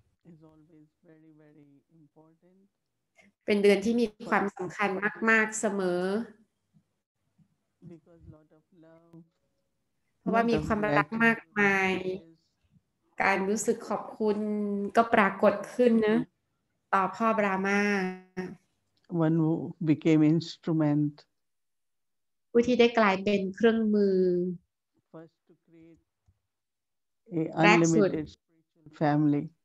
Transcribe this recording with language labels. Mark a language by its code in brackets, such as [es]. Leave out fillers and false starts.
[en] is always very very important [th] เป็นเดือนที่มีความสำคัญมากๆเสมอ [en] because lot of love [th] เพราะว่ามีความรักมากมายการรู้สึกขอบคุณก็ปรากฏขึ้นนะต่อพ่อบรามา [en] one who became instrument [th] ผู้ที่ได้กลายเป็นเครื่องมือ [en] first to create an unlimited spiritual family